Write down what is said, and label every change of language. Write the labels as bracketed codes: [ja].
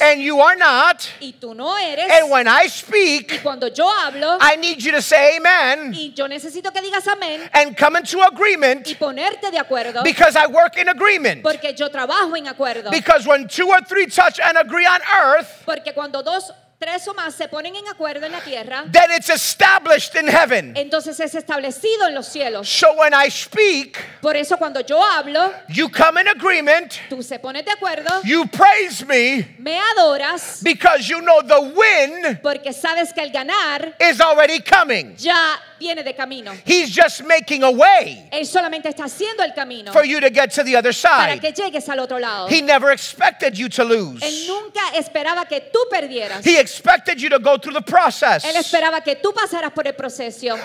[en] And you are not. [es] Y tú no eres. [en] And when I speak, [es] y cuando yo hablo, [en] I need you to say amen. [es] Y yo necesito que digas amén. [en] And come into agreement. [es] Y ponerte de acuerdo. [en] Because I work in agreement. [es] Porque yo trabajo en acuerdo. [en] Because when two or three touch and agree on earth, [es] porque cuando dos, tres o más se ponen en acuerdo en la tierra, [en] then it's established in heaven. [es] Entonces es establecido en los cielos. [en] So when I speak, [es] por eso cuando yo hablo, [en] you come in agreement, [es] tú se pones de acuerdo, [en] you praise me, [es] me adoras, [en] because you know the win, [es] porque sabes que el ganar, [en] is already coming. [es] Ya viene de camino. [en] He's just making a way, [es] él solamente está haciendo el camino, [en] for you to get to the other side, [es] para que llegues al otro lado. [en] He never expected you to lose. [es] Él nunca esperaba que tú perdieras. [en] He expected you to go through the process, [es] él esperaba que tú pasaras por el proceso,